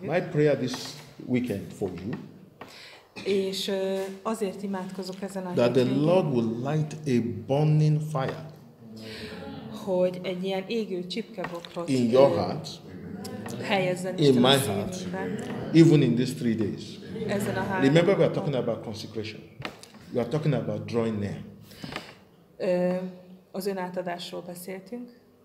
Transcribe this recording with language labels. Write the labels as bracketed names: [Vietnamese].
[English] My prayer this weekend for you. [Hungarian] És azért imádkozok ezen a [English] that the Lord will light a burning fire. [Hungarian] hogy egy ilyen égő csipkebokrot [English] in your heart, in my heart, even in these 3 days. Remember, we are talking about consecration. We are talking about drawing near. [Hungarian] Az önátadásról beszéltünk.